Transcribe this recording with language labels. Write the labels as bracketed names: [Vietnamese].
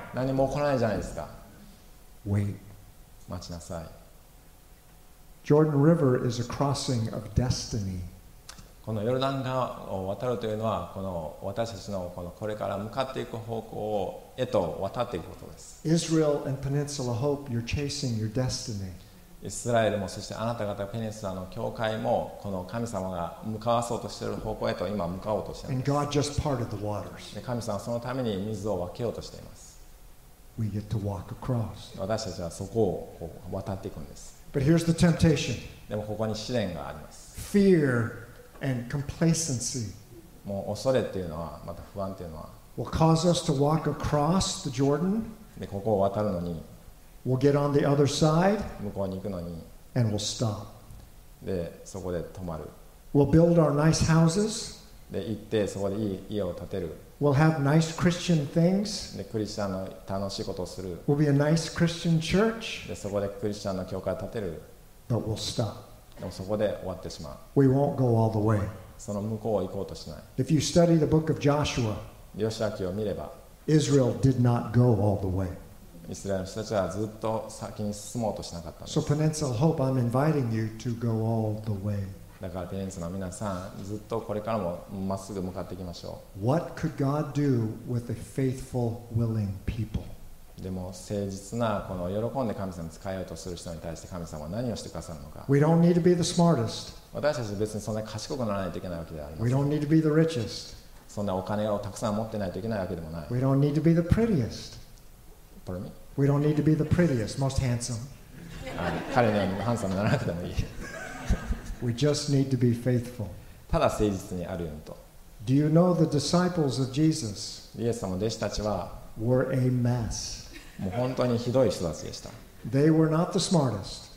[Japanese] 何も起こらないじゃないですか。 [English] Wait. [Japanese] 待ちなさい。 [English] Jordan River is a crossing of destiny. [Japanese] このヨルダン川を渡るというのはこの私たち このこれから向かっていく方向へと渡っていくことです。 [English] Israel and Peninsula Hope, you're chasing your destiny. [Japanese] イスラエルもそしてあなた方ペニンスラの教会もこの神様が向かわそうとしている方向へと今向かおうとしています。 [English] And God just parted the waters. [Japanese] 神様はそのために水を分けようとしています。 [English] We get to walk across. [Japanese] 私たちはそこをこう渡っていくんです。 [English] But here's the temptation. [Japanese] でもここに試練があります。 [English] FearAnd complacency. [Japanese] もう恐れっていうのは、また不安っていうのは、 [English] will cause us to walk across the Jordan. [Japanese] でここを渡るのに、 [English] we'll get on the other side. [Japanese] 向こうに行くのに、 [English] and we'll stop. [Japanese] でそこで止まる。 [English] we'll build our nice houses. [Japanese] で行ってそこでいい家を建てる。 [English] we'll have nice Christian things. [Japanese] でクリスチャンの楽しいことをする。 [English] we'll be a nice Christian church. [Japanese] でそこでクリスチャンの教会を建てる。 [English] but we'll stop. [Japanese] でもそこで終わってしまう。 [English] We won't go all the way. [Japanese] その向こうを行こうとしない。 [English] If you study the book of Joshua, [Japanese] ヨシュア記を見れば、 [English] Israel did not go all the way. [Japanese] イスラエルの人たちはずっと先に進もうとしなかったんです。 [English] So Peninsula Hope, I'm inviting you to go all the way. [Japanese] だからペニンスラの皆さん、ずっとこれからもまっすぐ向かっていきましょう。 [English] What could God do with a faithful, willing people? [Japanese] でも誠実なこの喜んで神様に使えようとする人に対して神様は何をしてくださるのか。 [English] We don't need to be the smartest. [Japanese] 私たちは別にそんなに賢くならないといけないわけではありません。 [English] We don't need to be the richest. [Japanese] そんなお金をたくさん持ってないといけないわけでもない。 [English] We don't need to be the prettiest. Pardon me? We don't need to be the prettiest, most handsome. [Japanese] 彼のようにハンサムにならなくてもいい。 [English] We just need to be faithful. [Japanese] ただ誠実にあるようにと。 [English] Do you know the disciples of Jesus? [Japanese] イエス様の弟子たちは [English] were a mess. [Japanese] もう本当にひどい人たちでした。 [English] They were not the smartest.